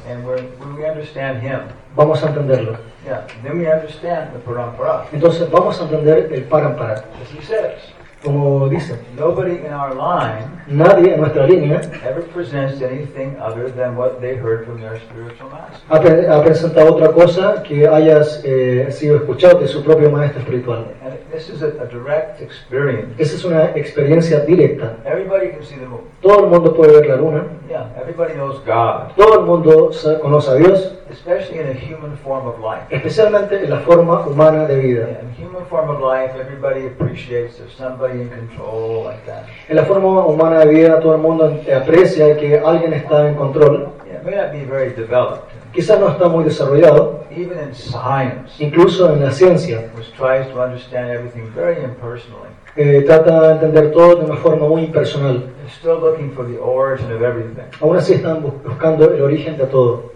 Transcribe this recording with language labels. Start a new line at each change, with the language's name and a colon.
English: and when we understand him,
Spanish: vamos a entenderlo.
English: Yeah, then we understand the parampara.
Spanish: Entonces vamos a entender el parampara.
English: As he says,
Spanish: como dice,
English: nobody in our line,
Spanish: nadie en nuestra línea,
English: ever presents anything other than what they heard from their spiritual master.
Spanish: Ha presentado otra cosa que hayas sido escuchado de su propio maestro espiritual.
English: This is a direct experience.
Spanish: Esa es una experiencia directa.
English: Everybody can see the moon.
Spanish: Todo el mundo puede ver la luna.
English: Yeah, everybody knows God.
Spanish: Todo el mundo conoce a Dios.
English: Especially in a human form of life.
Spanish: Especialmente en la forma humana de vida.
English: Yeah, in human form of life, everybody appreciates there's somebody in control like that.
Spanish: En la forma humana de vida, todo el mundo aprecia que alguien está en control.
English: Yeah, may not be very developed.
Spanish: Quizás no está muy desarrollado,
English: even in science,
Spanish: incluso en la ciencia,
English: which tries to understand everything very impersonally.
Spanish: Trata de entender todo de una forma muy impersonal.
English: They're still looking for the origin of everything.
Spanish: Aún así están buscando el origen de todo.